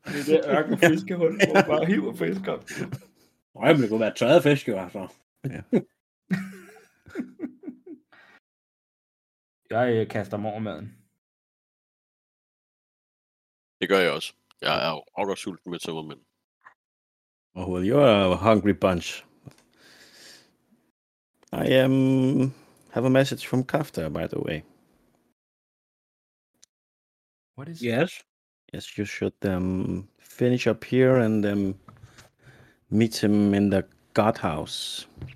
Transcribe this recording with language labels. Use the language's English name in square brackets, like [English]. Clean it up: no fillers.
[English] I'm going to go back to the fish after. Yeah. [Danish] Jeg kaster mig over maden. Det gør jeg også. Jeg er også sulten ved sommermænd. [English] Oh, well, you're a hungry bunch. I have a message from Kafta, by the way. What is yes? Yes, you should finish up here and meet him in the guardhouse.